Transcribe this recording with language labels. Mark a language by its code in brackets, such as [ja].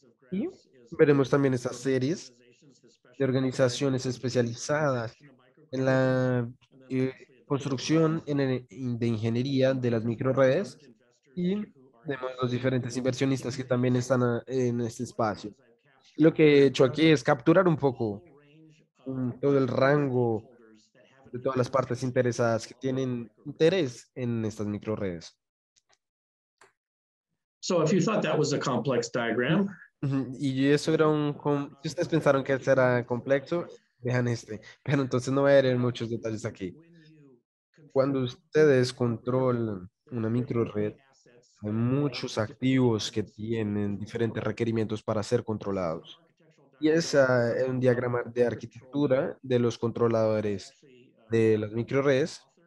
[es] Y veremos también esas series de organizaciones especializadas en la construcción de ingeniería de las microredes, y vemos los diferentes inversionistas que también están en este espacio. Lo que he hecho aquí es capturar un poco todo el rango de todas las partes interesadas que tienen interés en estas microredes. [en] So if you thought that was a complex diagram, [es] y eso era un, si ustedes pensaron que era complejo, vean este. Pero entonces no voy a ver muchos detalles aquí. Cuando ustedes controlan una microred, hay muchos activos que tienen diferentes requerimientos para ser controlados. Y ese es un diagrama de arquitectura de los controladores de las microredes.